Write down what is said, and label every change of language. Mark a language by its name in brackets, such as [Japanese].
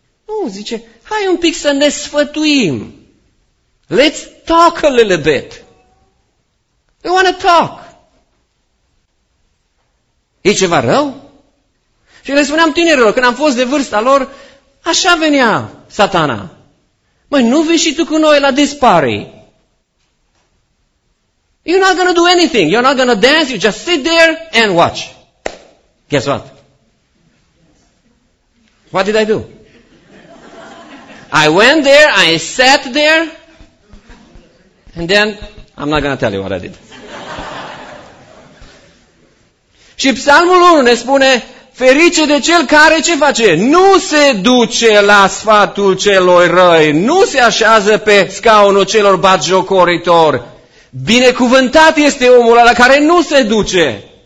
[Romanian] Nu, zice, hai un pic să ne sfătuim. [English] Let's talk a little bit. We want to talk. [Romanian] E ceva rău? Și le spuneam tinerilor, când am fost de vârsta lor, așa venea satana. Măi, nu vii și tu cu noi la [English] this party. You're not gonna do anything. You're not gonna dance. You just sit there and watch. Guess what? What did I do? I went there, I sat there, and then I'm not gonna tell you what I did. [Romanian] Și Psalmul 1 ne spune, ferice de cel care ce face? Nu se duce la sfatul celor răi, nu se așează pe scaunul celor batjocoritori. Binecuvântat este omul ăla care nu se duce.